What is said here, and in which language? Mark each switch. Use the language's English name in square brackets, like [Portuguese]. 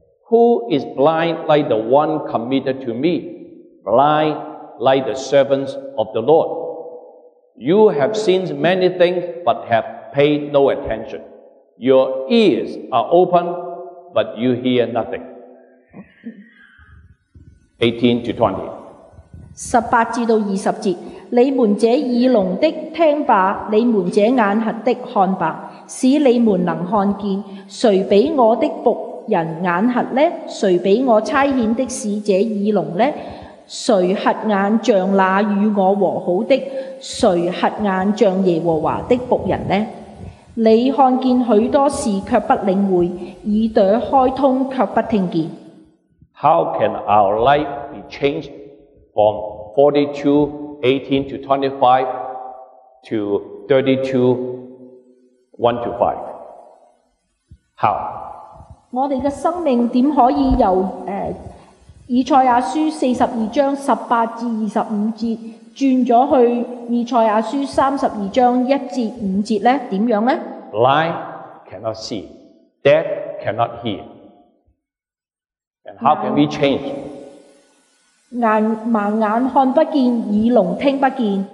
[English] Who is blind like the one committed to me, blind like the servants of the Lord? You have seen many things, but havepay no attention. Your ears are open, but you hear nothing. 18 to 20. [Chinese] 18至到20节，你们这耳聋的听吧，你们这眼瞎的看吧，使你们能看见。谁比我的仆人眼瞎呢？谁比我差遣的使者耳聋呢？谁瞎眼像那与我和好的？谁瞎眼像耶和华的仆人呢？你看见许多事却不领会，耳朵开通却不听见。 [English] How can our life be changed from 42, 18 to 25 to 32, 1 to 5? How? [Chinese] 我们的生命怎可以由以赛亚书42章18至25节转咗去以赛亚书32章1至5节呢？怎样呢？ [English] Blind cannot see, deaf cannot hear. And how can we change? [Chinese] 眼盲眼看不见，耳聋听不见。